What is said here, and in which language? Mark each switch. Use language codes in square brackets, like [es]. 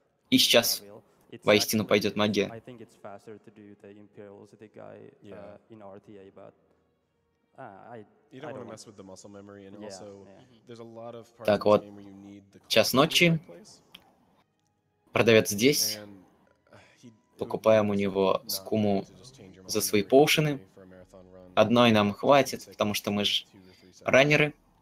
[ru] И сейчас воистину пойдет магия. [en] I think it's faster to do the Imperial City guy in RTA, but you don't want to mess with the muscle memory, and also there's a lot of parts of the game where you need the class. [ru] Час ночи. Продавец здесь. Покупаем у него скуму за свои поушены. Одной нам хватит, потому что мы же раннеры.